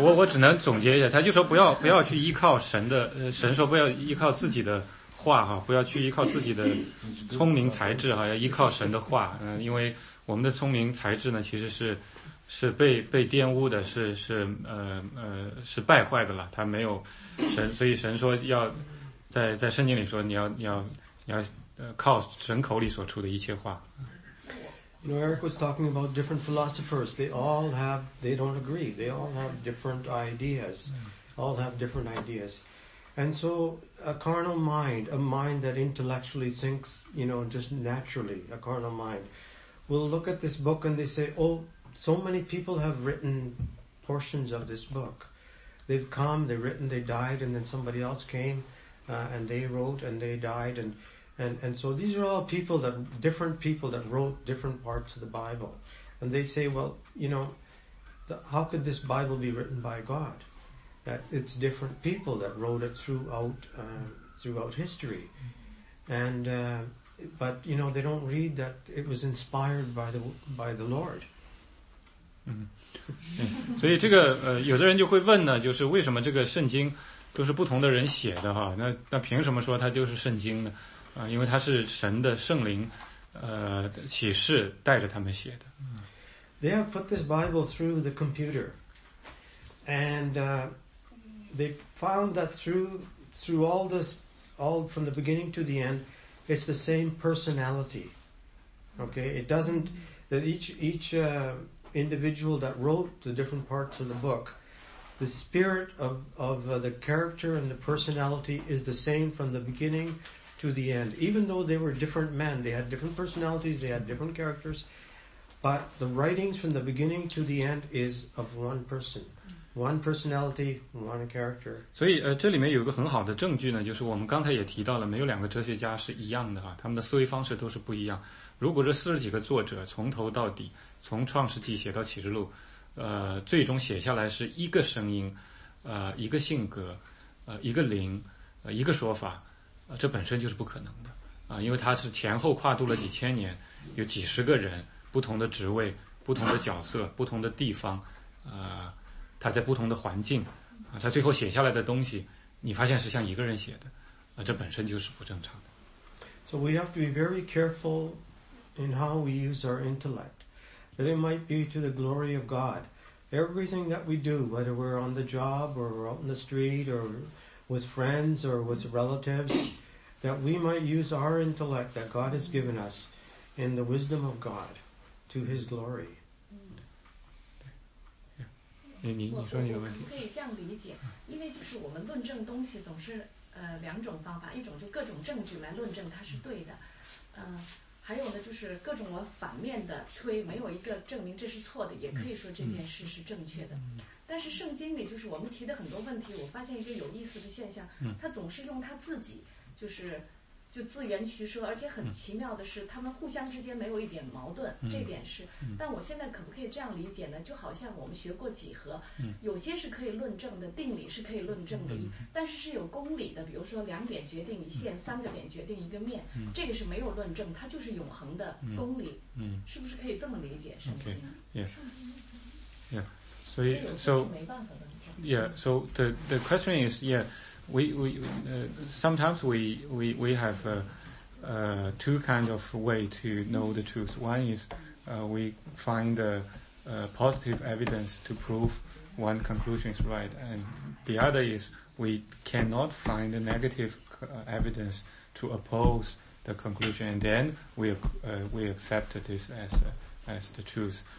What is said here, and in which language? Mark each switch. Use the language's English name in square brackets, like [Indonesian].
[Chinese] 我只能总结一下，他就说不要去依靠神的，神说不要依靠自己的话哈，不要去依靠自己的聪明才智哈，要依靠神的话，因为我们的聪明才智呢，其实是被玷污的，是败坏的了，他没有神，所以神说要在圣经里说，你要靠神口里所出的一切话。 [English] You know, Eric was talking about different philosophers. They don't agree. They all have different ideas. All have different ideas. And so a carnal mind, a mind that intellectually thinks, you know, just naturally, a carnal mind, will look at this book and they say, oh, so many people have written portions of this book. They've come, they've written, they died, and then somebody else came, and they wrote and they died, and so these are all different people that wrote different parts of the Bible. And they say, well, you know, how could this Bible be written by God? That it's different people that wrote it throughout history. And, but, you know, they don't read that it was inspired by the Lord. [Chinese] 嗯，所以这个有的人就会问呢，就是为什么这个圣经都是不同的人写的哈？那凭什么说它就是圣经呢？因为它是神的圣灵启示带着他们写的。 [English] They have put this Bible through the computer, and they found that through all this, all from the beginning to the end, it's the same personality. Okay, it doesn't that each individual that wrote the different parts of the book, the spirit of the character and the personality is the same from the beginning to the end. Even though they were different men, they had different personalities, they had different characters, but the writings from the beginning to the end is of one person. One personality, one character. [Chinese] 所以这里面有一个很好的证据呢，就是我们刚才也提到了，没有两个哲学家是一样的，他们的思维方式都是不一样。如果这四十几个作者从头到底，从创世纪写到启示录，最终写下来是一个声音，一个性格，一个灵，一个说法，这本身就是不可能的，因为它是前后跨度了几千年，有几十个人，不同的职位，不同的角色，不同的地方，他在不同的环境，他最后写下来的东西，你发现是像一个人写的，这本身就是不正常的。 [English] So we have to be very careful in how we use our intellect. That it might be to the glory of God. Everything that we do, whether we're on the job or out in the street or with friends or with relatives, that we might use our intellect that God has given us in the wisdom of God to His glory. [Chinese] 你说你的问题。我可以这样理解，因为就是我们论证东西总是两种方法，一种就各种证据来论证它是对的，还有呢，就是各种我反面的推，没有一个证明这是错的，也可以说这件事是正确的。但是圣经里就是我们提的很多问题，我发现一个有意思的现象，他总是用他自己，就自圆其说，而且很奇妙的是，他们互相之间没有一点矛盾，这点是。但我现在可不可以这样理解呢？就好像我们学过几何，有些是可以论证的，定理是可以论证的，但是是有公理的，比如说两点决定一线，三个点决定一个面，这个是没有论证，它就是永恒的公理，是不是可以这么理解圣经？ [English] So the question is, We sometimes have two kind of way to know the truth. One is we find the positive evidence to prove one conclusion is right, and the other is we cannot find the negative evidence to oppose the conclusion, and then we accept this as as the truth.